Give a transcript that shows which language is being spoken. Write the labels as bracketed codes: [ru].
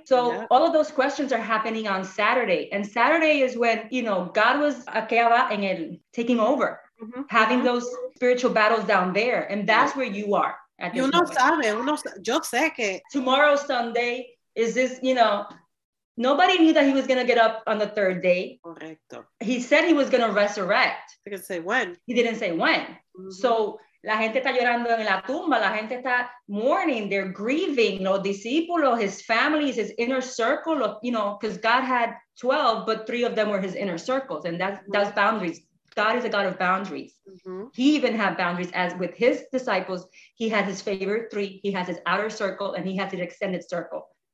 [en] So all of those questions are happening on Saturday. And Saturday is when, you know, God was taking over, having those spiritual battles down there. And that's where you are. Tomorrow, Sunday, is this, you know, nobody knew that he was going to get up on the third day. [es] Correcto. [en] He said he was going to resurrect. They didn't say when. He didn't say when. Mm-hmm. [es] So la gente está llorando en la tumba. La gente está [en] mourning. They're grieving. [es] Los discípulos, [en] his family, his inner circle, you know, because God had 12, but 3 of them were his inner circles. And that's boundaries. God is a God of boundaries. Mm-hmm. He even had boundaries as with his disciples. He had his favorite 3. He has his outer circle and he has his extended circle.